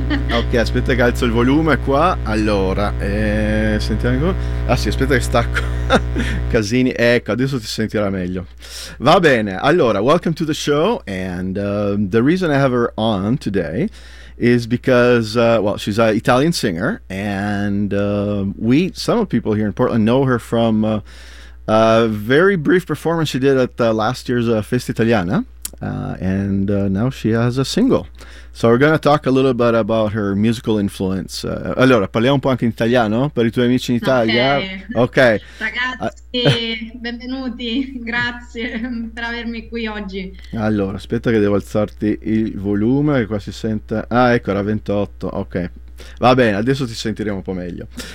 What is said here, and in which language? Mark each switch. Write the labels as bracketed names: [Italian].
[Italian] Ok, aspetta che alzo il volume qua. Allora, sentiamo. Ah sì, aspetta che stacco. Casini. Ecco, adesso ti sentirà meglio. Va bene. [English] Allora, welcome to the show. And the reason I have her on today is because, well, she's an Italian singer. And some of people here in Portland know her from a very brief performance she did at last year's Festa Italiana. Now she has a single. So we're going to talk a little bit about her musical influence. [Italian] Allora, parliamo un po' anche in italiano per i tuoi amici in Italia. Okay. Ragazzi, benvenuti. Grazie per avermi qui oggi. Allora, aspetta che devo alzarti il volume che qua si sente. Ah, ecco, era 28. Ok. Va bene, adesso ti sentiremo un po' meglio.